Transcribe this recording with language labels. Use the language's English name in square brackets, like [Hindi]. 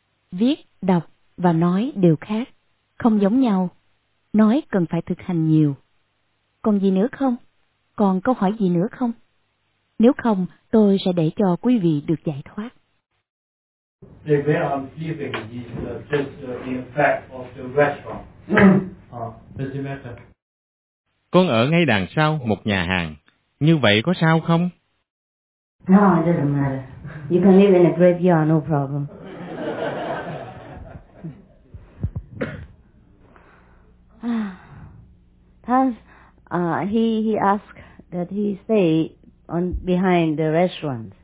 [Vietnamese] Viết, đọc và nói đều khác, không giống nhau. Nói cần phải thực hành nhiều. Còn gì nữa không? Còn câu hỏi gì nữa không? Nếu không, tôi sẽ để cho quý vị được giải thoát. [English] The way I'm sleeping is just the effect of the restaurant. Does it matter? [Vietnamese] Con ở ngay đằng sau một nhà hàng. Như vậy có sao không? [English] No, it doesn't matter. You can live in a graveyard, no problem. Thanks. he asked that he stay on behind the restaurant.